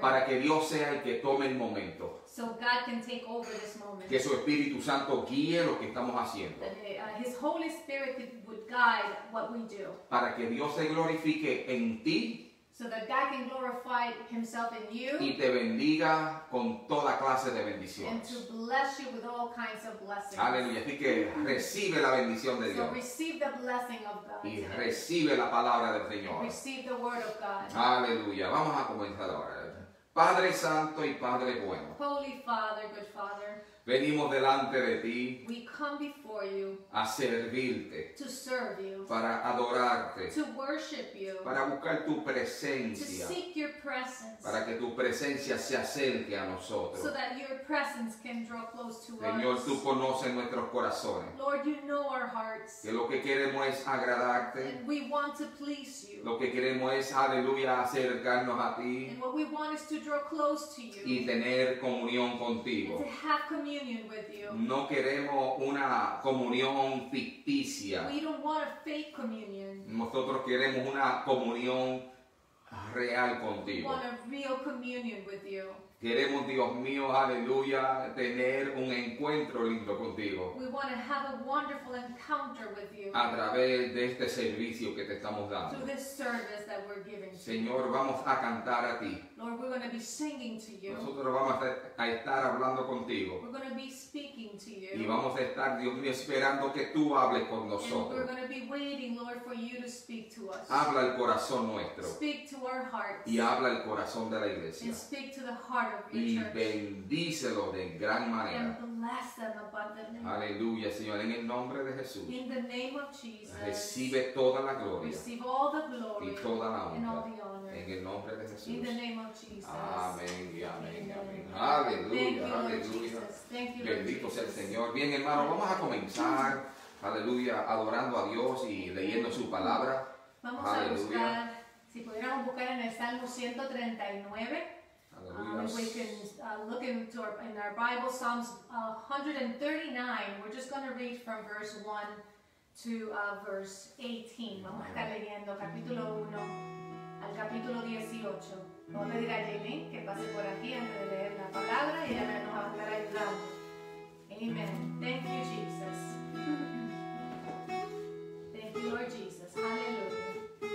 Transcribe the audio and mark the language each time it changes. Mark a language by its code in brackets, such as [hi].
[es] Para que Dios sea el que tome el momento. [en] So God can take over this moment. [es] Que su Espíritu Santo guíe lo que estamos haciendo. [en] That His Holy Spirit would guide what we do. [es] Para que Dios se glorifique en ti. [en] So that God can glorify Himself in you. [es] Y te bendiga con toda clase de bendiciones. [en] And to bless you with all kinds of blessings. [es] Aleluya. Así que recibe la bendición de Dios. [en] So receive the blessing of God. [es] Y recibe la palabra del Señor. [en] And receive the word of God. [es] Aleluya. Vamos a comenzar ahora. Padre Santo y Padre Bueno. [en] Holy Father, good Father. [es] Venimos delante de ti. [en] We come before you. [es] A servirte. [en] To serve you. [es] Para adorarte. [en] To worship you. [es] Para buscar tu presencia. [en] To seek your presence. [es] Para que tu presencia se acerque a nosotros. [en] So that your presence can draw close to [es] Señor, [en] us. [es] Señor, tú conoces nuestros corazones. [en] Lord, you know our hearts. [es] Que lo que queremos es agradarte. [en] And we want to please you. [es] Lo que queremos es, aleluya, acercarnos a ti. [en] And what we want is to draw close to you. [es] Y tener comunión contigo. [en] And to have communion with you. [es] No queremos una comunión ficticia. [en] We don't want a fake communion. [es] Nosotros queremos una comunión real contigo. [en] We want a real communion with you. [es] Queremos, Dios mío, aleluya, tener un encuentro lindo contigo. [en] We want to have a wonderful encounter with you. [es] A través de este servicio que te estamos dando. [en] Through this service that we're giving. [es] Señor, vamos a cantar a ti. [en] Lord, we're going to be singing to you. [es] Nosotros vamos a estar hablando contigo. [en] We're going to be speaking to you. [es] Y vamos a estar, Dios mío, esperando que tú hables con nosotros. [en] And we're going to be waiting, Lord, for you to speak to us. [es] Habla el corazón nuestro. [en] Speak to our hearts. [es] Y habla el corazón de la iglesia. [en] And speak to the heart. [es] Y bendícelo de gran manera. Aleluya, Señor, en el nombre de Jesús. [en] In the name of Jesus, [es] recibe toda la gloria. [en] Receive all the glory [es] y toda la honra. [en] And all the honor. [es] En el nombre de Jesús. [en] In the name of Jesus. [es] Amén y amén. Aleluya, aleluya. Bendito sea el Señor. Bien, hermano, vamos a comenzar. Aleluya, adorando a Dios y leyendo su palabra. Vamos aleluya. A buscar, si pudiéramos buscar en el Salmo 139. [en] We can look into our, in our Bible, Psalms 139. We're just going to read from verse 1 to verse 18. [es] Vamos a estar leyendo capítulo 1 al capítulo 18. Vamos a pedir a Jaylin que pase por aquí antes de leer la palabra y ella nos va a estar ayudando. [en] Amen. Thank you, Jesus. Thank you, Lord Jesus.